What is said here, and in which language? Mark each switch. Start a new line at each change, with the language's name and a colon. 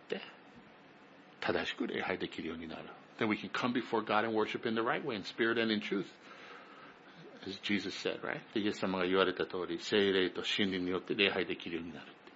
Japanese: で、みんな怖がらせるためにこういう話してるんじゃないんでしょ。なぜならユダを見て私たちも見てたった唯一やるべきことがある。悔い改めること。自分の罪を認めること。で、神様のもとに行って正しく礼拝できるようになる。Then
English: we can come before God and worship in the right way, in spirit and in truth. As Jesus said, right?
Japanese: で、 イエス様が言われた通り、聖霊と真理によって礼拝できるようになる。